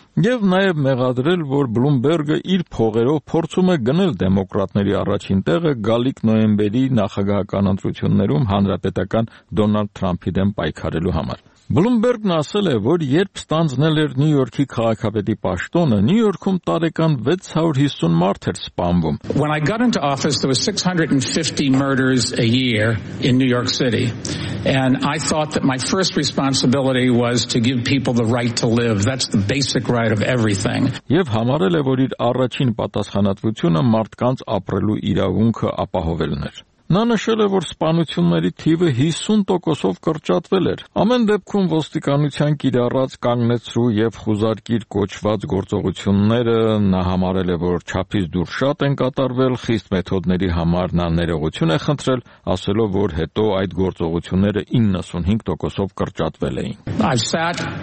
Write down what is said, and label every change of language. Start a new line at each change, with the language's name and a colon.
Armenian: և նաև մեղադրել, որ Բլումբերգը իր փողերով փորձում է գնել դեմոկրատների առաջին տեղը գալիք նոյեմբերի նախագահական ընտրություններում հանրապետական Դոնալդ Թրամփի դեմ պայքարելու համար։ Բլումբերգն ասել է, որ երբ ստանձնել էր Նյու Յորքի քաղաքապետի պաշտոնը, Նյու Յորքում տարեկան 650 մարդ էր սպանվում։
English: When I got into office, there were 650 murders a year in New York City, and I thought that my first responsibility was to give people the right to live. That's the basic right of everything.
Armenian: Եվ համարել է, որ իր առաջին պատասխանատվությունը մարդկանց ապրելու իրավունքը ապահովելն էր։ Նա նշել է, որ սպանությունների թիվը 50%-ով կրճատվել էր։ Ամեն դեպքում ոստիկանության կիրառած կանգնեցրու և խուզարկիր կոչված գործողությունները նա համարել է, որ չափից դուրս շատ են կատարվել, խիստ մեթոդների համար նա ներողություն է խնդրել, ասելով, որ հետո այդ գործողությունները 95%-ով կրճատվել էին։